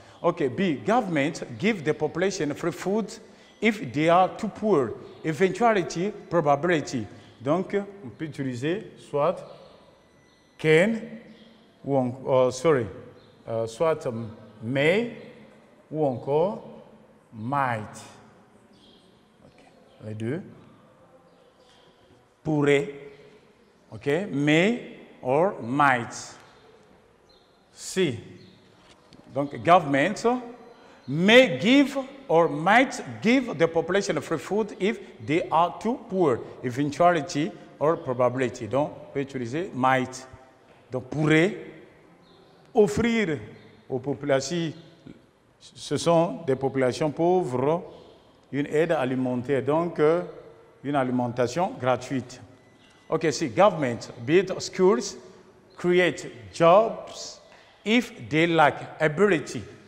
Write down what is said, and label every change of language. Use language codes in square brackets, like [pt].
[en] OK, B, government give the population free food if they are too poor. Eventuality, probability. [fr] Donc, on peut utiliser soit can, ou encore, soit may, ou encore might. Okay. Les deux. Pourrait, [en] OK, may or might. C, donc government may give or might give the population free food if they are too poor, eventuality or probability. [fr] Donc, on peut utiliser might. Donc, pourrait offrir aux populations, ce sont des populations pauvres, une aide alimentaire, donc une alimentation gratuite. [en] OK, si government build schools, create jobs if they lack ability.